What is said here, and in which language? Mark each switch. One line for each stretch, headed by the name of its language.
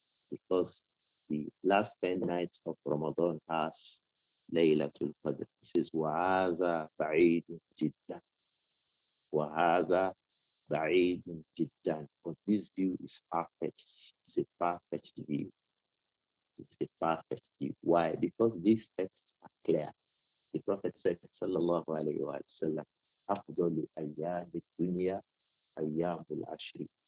English: Because the last 10 nights of Ramadan has لَيْلَةُ الْفَجْرِ. This is
Arabic: وَهَذَا بَعِيدٌ جِدًّا. وَهَذَا بَعِيدٌ جِدًّا.
English: But this view is perfect. It's a perfect view. It's a perfect view. Why? Because these texts are clear. The Prophet said, sallallahu alayhi wa sallam,
Arabic: أَفْضَلُ أَيَّامِ الدُّنْيَا أَيَّامُ الْعَشْرِ.